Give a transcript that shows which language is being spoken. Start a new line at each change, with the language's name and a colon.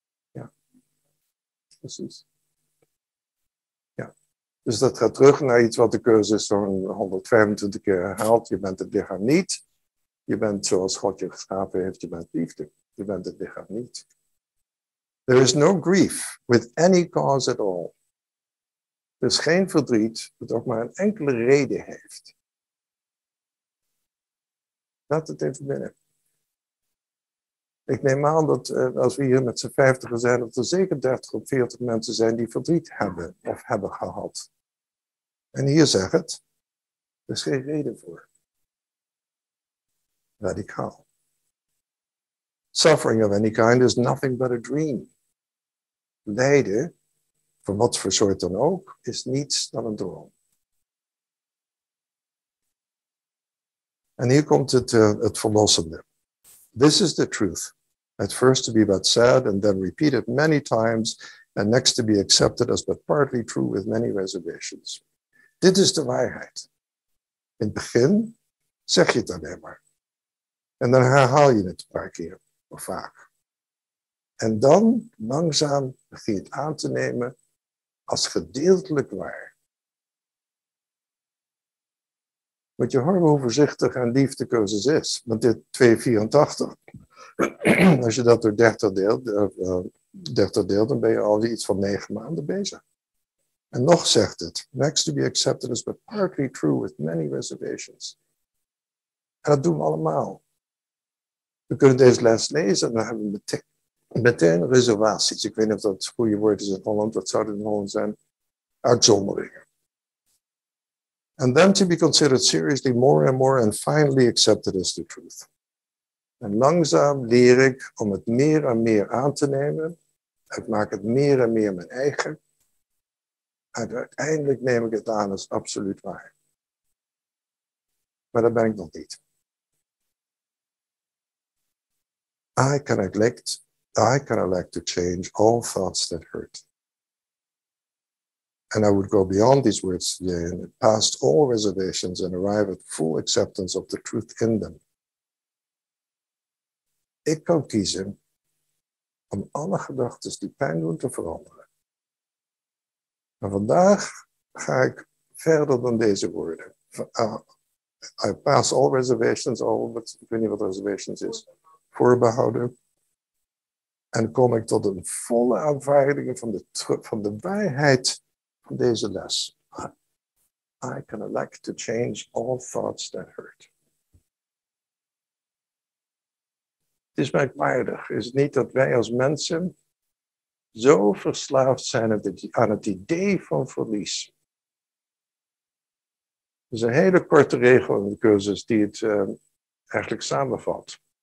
Dutch: Ja, precies. Dus dat gaat terug naar iets wat de cursus zo'n 125 keer herhaalt. Je bent het lichaam niet. Je bent zoals God je geschapen heeft, je bent liefde. Je bent het lichaam niet.
English: There is no grief with any cause at all.
Dutch: Er is geen verdriet dat ook maar een enkele reden heeft. Laat het even binnen. Ik neem aan dat als we hier met z'n 50 zijn, dat er zeker 30 of 40 mensen zijn die verdriet hebben of hebben gehad. En hier zegt het, er is geen reden voor. Radicaal.
English: Suffering of any kind is nothing but a dream.
Dutch: Lijden, van wat voor soort dan ook, is niets dan een droom. En hier komt het verlossende.
English: This is the truth. At first to be but said and then repeated many times and next to be accepted as but partly true with many reservations.
Dutch: Dit is de waarheid. In het begin zeg je het alleen maar. En dan herhaal je het een paar keer of vaak. En dan langzaam begin je het aan te nemen als gedeeltelijk waar. Moet je horen hoe voorzichtig en lief de cursus is. Want dit 284, als je dat door 30 deelt, dan ben je al iets van 9 maanden bezig. En nog zegt het,
English: next to be accepted is but partly true with many reservations.
Dutch: En dat doen we allemaal. We kunnen deze les lezen en dan hebben we meteen reservaties. Ik weet niet of dat het goede woord is in Holland, wat zou het in Holland zijn? Uitzonderingen.
English: And then to be considered seriously more and more and finally accepted as the truth.
Dutch: En langzaam leer ik om het meer en meer aan te nemen. Ik maak het meer en meer mijn eigen. En uiteindelijk neem ik het aan als absoluut waar. Maar dat ben ik nog niet.
English: I can elect to change all thoughts that hurt. And I would go beyond these words today and past all reservations and arrive at full acceptance of the truth in them.
Dutch: Ik kan kiezen om alle gedachten die pijn doen te veranderen. En vandaag ga ik verder dan deze woorden.
English: I pass all reservations,
Dutch: ik weet niet wat reservations is, voorbehouden. En kom ik tot een volle aanvaarding van de waarheid van deze les.
English: I can elect to change all thoughts that hurt.
Dutch: Het is merkwaardig, is het niet dat wij als mensen zo verslaafd zijn aan het idee van verlies. Dat is een hele korte regel in de cursus die het eigenlijk samenvat.